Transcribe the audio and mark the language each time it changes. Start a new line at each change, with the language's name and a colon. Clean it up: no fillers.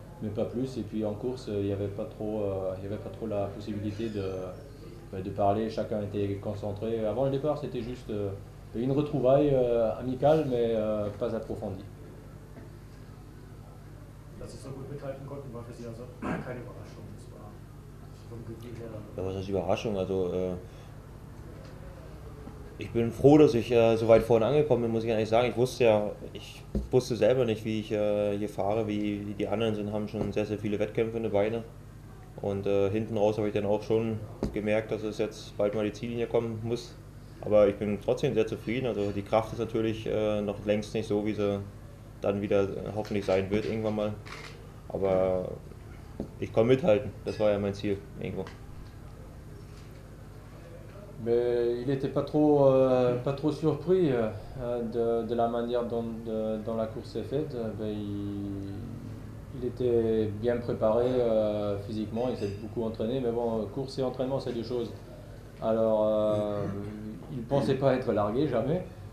French: Mais pas plus, et puis en course, il n'y avait pas trop la possibilité de parler, chacun était concentré. Avant le départ, c'était juste une retrouvaille amicale, mais pas approfondie.
German: Ja, was ist Überraschung? Also, ich bin froh, dass ich so weit vorne angekommen bin, muss ich eigentlich sagen. Ich wusste selber nicht, wie ich hier fahre, wie die anderen sind, haben schon sehr, sehr viele Wettkämpfe in den Beinen. Und hinten raus habe ich dann auch schon gemerkt, dass es jetzt bald mal die Ziellinie kommen muss. Aber ich bin trotzdem sehr zufrieden. Also die Kraft ist natürlich noch längst nicht so, wie sie dann wieder hoffentlich sein wird irgendwann mal. Aber ich komme mithalten, das war ja mein Ziel irgendwo.
French: Mais il n'était pas trop pas trop surpris de la manière dont dont la course s'est faite. Il était bien préparé physiquement, il s'est beaucoup entraîné. Mais bon, course et entraînement, c'est deux choses. Alors, il ne pensait pas être largué, jamais.